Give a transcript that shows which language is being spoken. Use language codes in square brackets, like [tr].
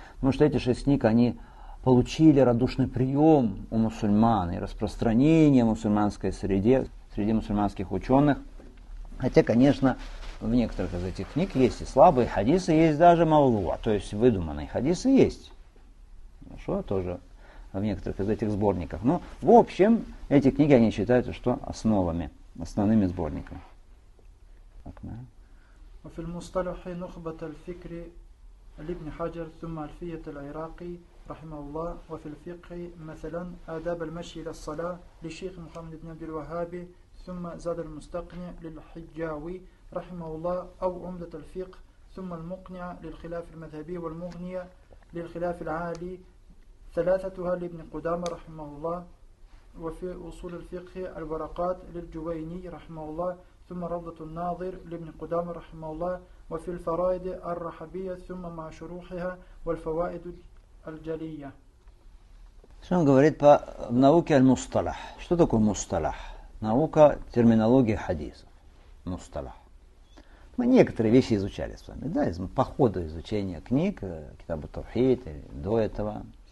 [ru] Потому что эти шесть книг, они получили радушный прием у мусульман и распространение в мусульманской среде, среди мусульманских ученых. Хотя, конечно, в некоторых из этих книг есть и слабые хадисы, есть даже мавлу, то есть выдуманные хадисы есть. Хорошо, тоже в некоторых из этих сборников. Но в общем, эти книги они считают, что основами, основными сборниками. [ar] وفي المصطلح نخبة الفكر لابن حجر ثم ألفية العراقي رحمه الله وفي الفقه مثلا آداب المشي إلى الصلاة لشيخ محمد بن عبد الوهاب ثم زاد المستقنع للحجاوي رحمه الله أو عمدة الفقه ثم المقنع للخلاف المذهبي والمغنية للخلاف العالي ثلاثتها لابن قدامة رحمه الله وفي أصول الفقه الورقات للجويني رحمه الله ثم روضة الناظر لابن قدامة رحمه الله وفي الفرائد الرحبية ثم مع شروحها والفوائد الجلية. [ru] Что он говорит по в науке аль-мусталах? Что такое мусталах? Наука терминологии хадисов. Мусталах. Мы некоторые вещи изучали с вами, да, по ходу изучения книг, китабу тавхид, до этого.